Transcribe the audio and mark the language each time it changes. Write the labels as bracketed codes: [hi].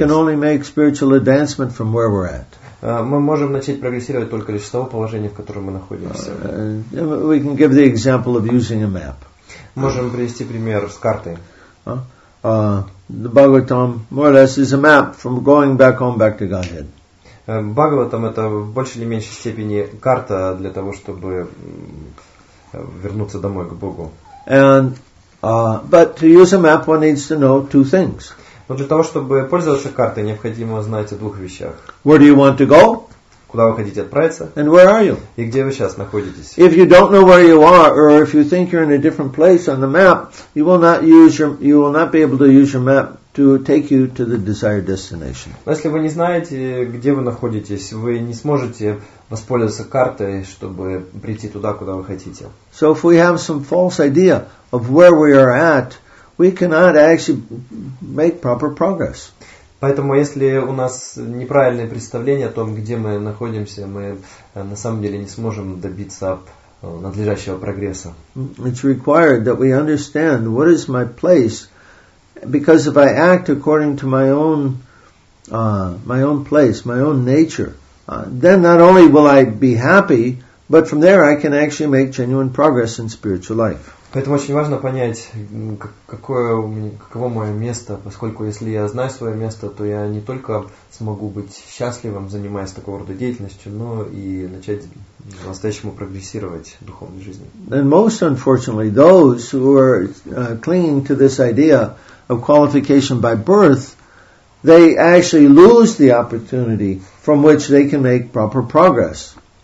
[en] We can only make spiritual advancement from where we're at. [ru] Мы можем начать прогрессировать только лишь с того положения, в котором мы находимся. [en] We can give the example of using a map. [ru] Можем привести пример с картой. [en] The Bhagavatam more or less is a map from going back home back to Godhead. [ru] Bhagavatam это в большей или меньшей степени карта для того, чтобы вернуться домой к Богу. [en] And but to use a map one needs to know two things. [ru] Но для того, чтобы пользоваться картой, необходимо знать о двух вещах. [en] Where do you want to go? [ru] Куда вы хотите отправиться? [en] And where are you? [ru] И где вы сейчас находитесь? [en] If you don't know where you are, or if you think you're in a different place on the map, you will not be able to use your map to take you to the desired destination. [ru] Но если вы не знаете, где вы находитесь, вы не сможете воспользоваться картой, чтобы прийти туда, куда вы хотите. [en] So if we have some false idea of where we are at, we cannot actually make proper progress. [ru] Поэтому, если у нас неправильное представление о том, где мы находимся, мы на самом деле не сможем добиться надлежащего прогресса. [en] It's required that we understand what is my place, because if I act according to my own place, my own nature, then not only will I be happy, but from there I can actually make genuine progress in spiritual life. [ru] Поэтому очень важно понять, каково мое место, поскольку если я знаю свое место, то я не только смогу быть счастливым, занимаясь такого рода деятельностью, но и начать по-настоящему прогрессировать в духовной жизни. [en] And most unfortunately, those who are clinging to this idea of qualification by birth, they actually lose the opportunity from which they can make proper progress.